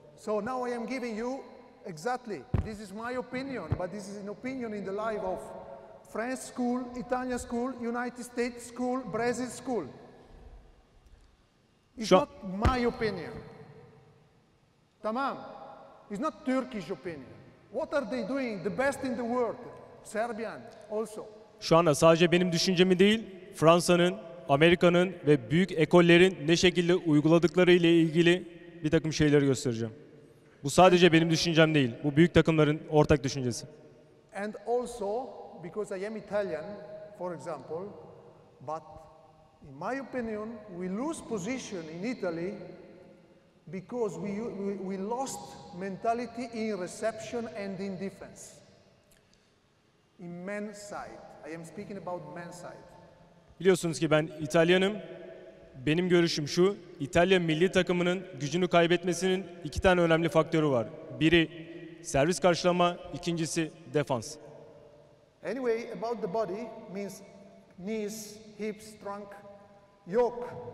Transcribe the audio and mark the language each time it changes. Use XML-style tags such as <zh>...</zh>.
<en>So now I am giving you exactly. This is my opinion, but this is an opinion in the life of French school, Italian school, United States school, Brazil school. It's not my opinion. Tamam. It's not Turkish opinion. What are they doing? The best in the world. Serbian also.</en> <tr>Şu anda sadece benim düşüncemi değil, Fransa'nın, Amerika'nın ve büyük ekollerin ne şekilde uyguladıkları ile ilgili bir takım şeyleri göstereceğim. Bu sadece benim düşüncem değil. Bu büyük takımların ortak düşüncesi.</tr> <en>And also, because I am Italian, for example, but in my opinion, we lose position in Italy because we lost mentality in reception and in defense. In men's side. I am speaking about men's side.</en> <tr>Biliyorsunuz ki ben İtalyanım. Benim görüşüm şu, İtalya milli takımının gücünü kaybetmesinin iki tane önemli faktörü var. Biri servis karşılama, ikincisi defans.</tr> <en>Anyway, about the body means knees, hips, trunk, yok.</en>